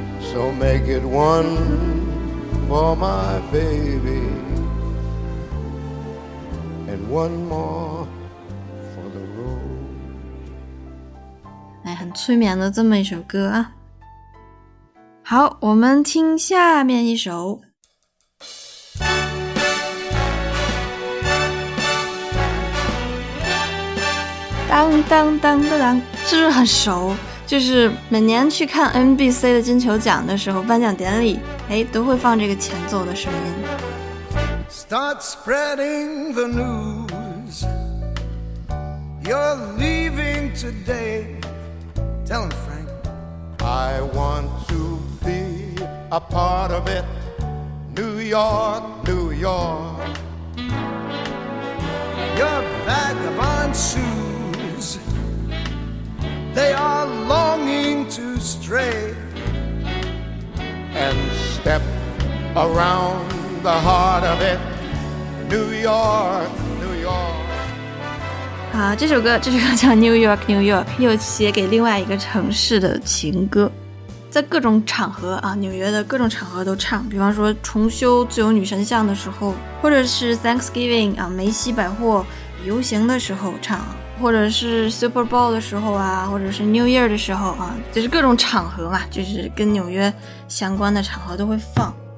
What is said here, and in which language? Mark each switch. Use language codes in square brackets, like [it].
[en] So make it one for my baby and one more for the road. [zh] 哎，很催眠的这么一首歌啊。好，我们听下面一首。当当当当当，是不是很熟？就是每年去看 NBC 的金球奖的时候，颁奖典礼，哎，都会放这个前奏的声音。 [en] Start spreading the news. You're leaving today. Tell them, Frank. I want to be a part of it. New York, New York. Your vagabond shoes, they are longing to stray and step around the heart of it. New York, New York. [zh] 啊，这首歌叫 New York, New York, 又写给另外一个城市的情歌，在各种场合啊，纽约的各种场合都唱，比方说重修自由女神像的时候，或者是 Thanksgiving 啊，梅西百货游行的时候唱，或者是 Super Bowl 的时候啊，或者是 New Year 的时候啊，就是各种场合嘛，就是跟纽约相关的场合都会放。